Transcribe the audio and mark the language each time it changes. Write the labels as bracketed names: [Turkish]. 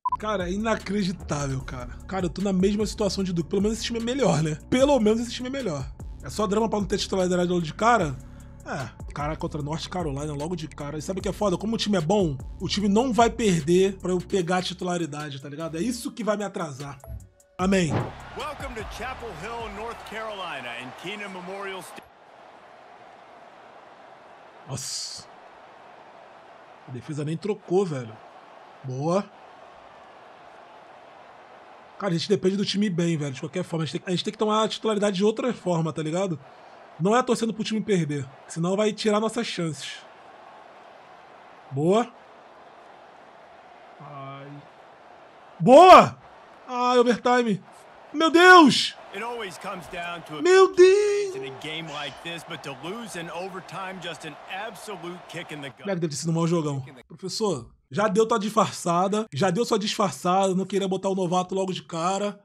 [Portuguese] Cara, é inacreditável, cara. Cara, eu tô na mesma situação de Duke. Pelo menos esse time é melhor, né? Pelo menos esse time é melhor. É só drama pra não ter titularidade logo de cara? É. Cara contra North Carolina logo de cara. E sabe o que é foda? Como o time é bom, o time não vai perder pra eu pegar a titularidade, tá ligado? É isso que vai me atrasar. Amém. [English] Welcome to Chapel Hill, North Carolina, and Keenan Memorial Stadium. [Portuguese] Nossa, a defesa nem trocou, velho. Boa. Cara, a gente depende do time bem, velho. De qualquer forma, a gente tem que tomar a titularidade de outra forma, tá ligado? Não é torcendo pro time perder, senão vai tirar nossas chances. Boa. Ai. Boa. Ai, overtime. Meu Deus. [English] It always comes down to a... [Portuguese] Meu Deus! [English] In a game like this, but to lose in overtime, just an absolute kick in the gut. [Portuguese] Como é que deve ter sido um mau jogão? Professor, já deu tua disfarçada, já deu sua disfarçada, não queria botar o novato logo de cara.